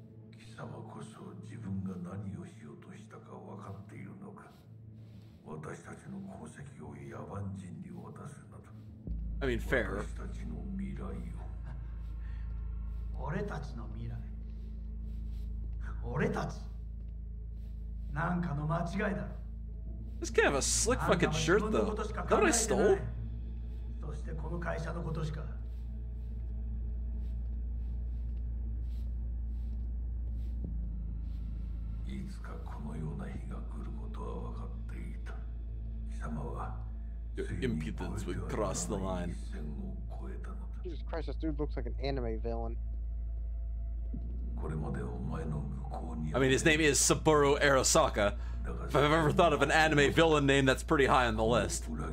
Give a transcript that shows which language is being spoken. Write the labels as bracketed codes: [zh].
[ja] 貴様こそ自分が何をしようとしたか分かっているのか私たちの功績を野蛮人に渡すなど [en] I mean, fair. [ja] 私たちの未来を俺たちの未来俺たちなんかの間違いだろ [en] This kind of a slick fucking shirt though That I stole? [ja] そしてこの会社のことしかいつかこのような日が来ることは分かっていた。貴様は [en] Your impudence would cross the line. Jesus Christ, this dude looks like an anime villain. [ja] これまでお前の向こうに [en] I mean, his name is Saburo Arasaka. If I've ever thought of an anime villain name, that's pretty high on the list.